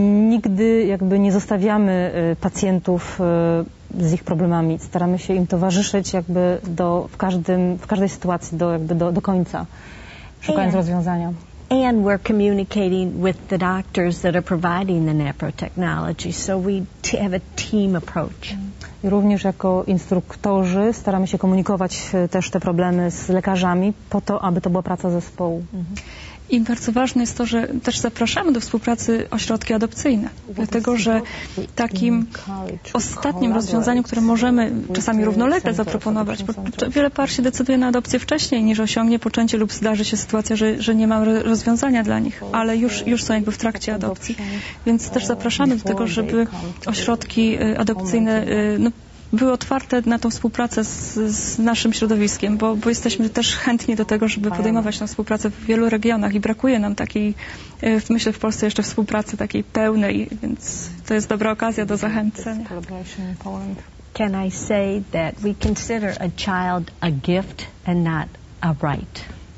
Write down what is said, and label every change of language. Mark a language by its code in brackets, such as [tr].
[pl] Nigdy jakby nie zostawiamy pacjentów z ich problemami. Staramy się im towarzyszyć jakby w każdej sytuacji do końca, szukając rozwiązania. [en] And we're communicating with the doctors that are providing the NAPRO technology, so we have a team approach. [pl] I również jako instruktorzy staramy się komunikować też te problemy z lekarzami po to, aby to była praca zespołu. I bardzo ważne jest to, że też zapraszamy do współpracy ośrodki adopcyjne, dlatego że takim ostatnim rozwiązaniem, które możemy czasami równolegle zaproponować, bo wiele par się decyduje na adopcję wcześniej niż osiągnie poczęcie lub zdarzy się sytuacja, że nie ma rozwiązania dla nich, ale już są jakby w trakcie adopcji, więc też zapraszamy do tego, żeby ośrodki adopcyjne były otwarte na tą współpracę z naszym środowiskiem, bo jesteśmy też chętni do tego, żeby podejmować tą współpracę w wielu regionach i brakuje nam takiej, myślę, w Polsce jeszcze współpracy takiej pełnej, więc to jest dobra okazja do zachęcenia. [en] Can I say that we consider a child a gift and not a right?